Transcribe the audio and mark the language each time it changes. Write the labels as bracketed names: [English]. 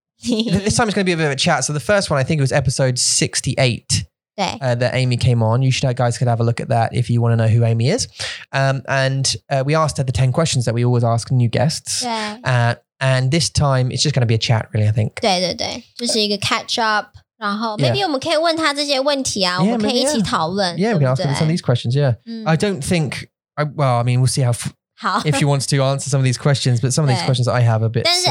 [English] This time it's going to be a bit of a chat. So the first one, I think it was episode 68 that Amy came on. You should guys could have a look at that if you want to know who Amy is. We asked her the 10 questions that we always ask new guests. And this time it's just going to be a chat, really, I think. [Chinese] 对对对,就是一个 catch up. 然后maybe 我们可以问她这些问题啊,我们可以一起讨论。 [English] Yeah, we can ask her some of these questions, yeah. I don't think, we'll see how... if she wants to answer some of these questions, but some of these questions I have a bit.